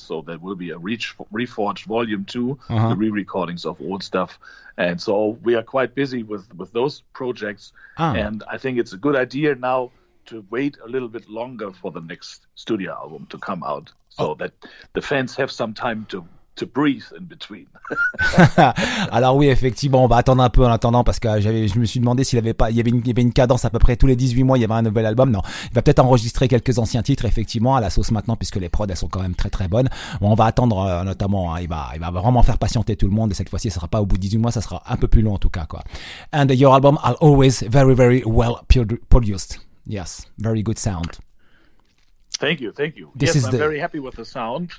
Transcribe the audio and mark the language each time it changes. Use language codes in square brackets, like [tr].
[en] So there will be a Reforged Volume 2, the re-recordings of old stuff. And so we are quite busy with those projects. And I think it's a good idea now to wait a little bit longer for the next studio album to come out so that the fans have some time to breathe in between. [fr] Alors oui, effectivement, on va attendre un peu en attendant parce que je me suis demandé s'il avait pas, il y avait une cadence à peu près tous les 18 mois, il y avait un nouvel album. Non, il va peut-être enregistrer quelques anciens titres effectivement à la sauce maintenant puisque les prods elles sont quand même très très bonnes. Bon, on va attendre notamment, hein, il va vraiment faire patienter tout le monde et cette fois-ci ça sera pas au bout de 18 mois, ça sera un peu plus long en tout cas quoi. [en] And your album are always very very well produced. Yes, very good sound. Thank you. I'm very happy with the sound.